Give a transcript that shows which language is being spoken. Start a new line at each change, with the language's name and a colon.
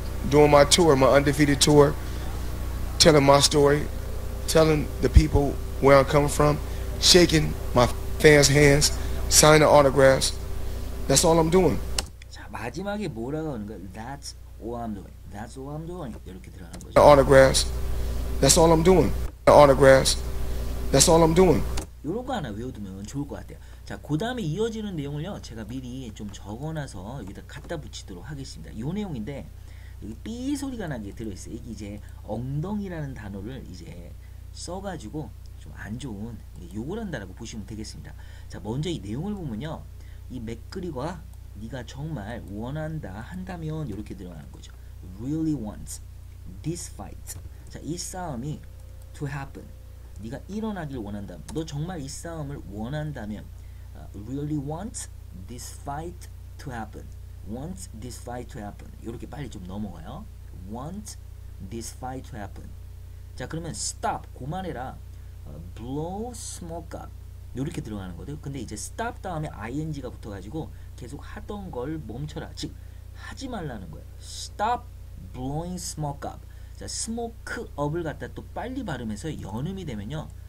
English: Doing my tour, my undefeated tour, telling my story, telling the people where I'm coming from, shaking my fans' hands, signing autographs. That's all I'm doing.
Korean: 마지막에 뭐라고 하는 거야?
English: That's what I'm doing. That's what I'm doing.
Korean: 이렇게 들어가는 거죠.
English: Autographs. That's all I'm doing. Autographs. That's all I'm doing.
Korean: 요런 거 하나 외워두면 좋을 것 같아요. 자, 그 다음에 이어지는 내용을요, 제가 미리 좀 적어놔서 여기다 갖다 붙이도록 하겠습니다. 요 내용인데, 여기 삐 소리가 나게 들어있어요. 이게 이제 엉덩이라는 단어를 이제 써가지고 좀안 좋은 욕을 한다라고 보시면 되겠습니다. 자, 먼저 이 내용을 보면요, 이 맥그리거가 네가 정말 원한다 한다면 이렇게 들어가는 거죠.
English: Really wants this fight.
Korean: 자, 이 싸움이 to happen. 네가 일어나길 원한다면, 너 정말 이 싸움을 원한다면,
English: really wants this fight to happen. Wants this fight to happen.
Korean: 이렇게 빨리 좀 넘어가요.
English: Want this fight to happen.
Korean: 자, 그러면 stop 그만해라.
English: Blow smoke up.
Korean: 이렇게 들어가는 거죠. 근데 이제 stop 다음에 ing가 붙어가지고 계속 하던 걸 멈춰라. 즉, 하지 말라는 거예요.
English: Stop blowing smoke up.
Korean: 자, smoke up을 갖다 또 빨리 발음해서 연음이 되면요.